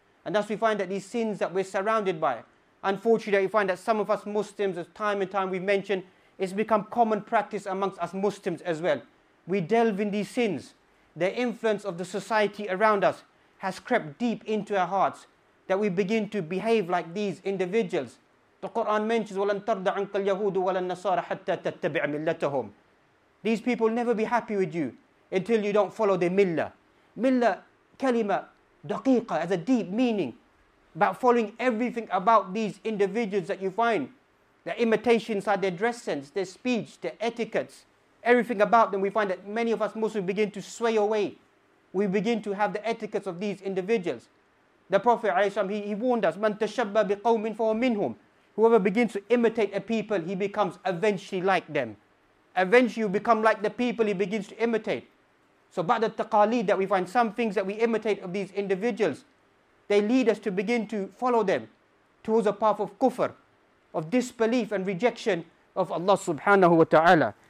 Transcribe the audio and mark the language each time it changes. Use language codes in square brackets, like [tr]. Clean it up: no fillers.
[en] And thus we find that these sins that we're surrounded by, unfortunately we find that some of us Muslims, as time and time we've mentioned, it's become common practice amongst us Muslims as well. We delve in these sins. The influence of the society around us has crept deep into our hearts that we begin to behave like these individuals. The Quran mentions, [ar] وَلَن تَرْضَ عَنْكَ الْيَهُودُ وَلَا النَّصَارَ حَتَّى تَتَّبِعَ مِلَّتَهُمْ. [en] These people will never be happy with you until you don't follow their millah. Millah, kalima, daqiqa, has a deep meaning about following everything about these individuals that you find. Their imitations are their dress sense, their speech, their etiquettes. Everything about them, we find that many of us Muslims begin to sway away. We begin to have the etiquettes of these individuals. The Prophet ﷺ, he warned us, [ar] مَنْ تَشَبَّى بِقَوْمٍ فَهُمْ مِنْهُمْ. [en] Whoever begins to imitate a people, he becomes eventually like them. Eventually, you become like the people he begins to imitate. So, [ar] بَعْدَ التَّقَالِيدِ, [en] that we find some things that we imitate of these individuals, they lead us to begin to follow them towards a path of kufr, of disbelief and rejection of Allah subhanahu wa ta'ala.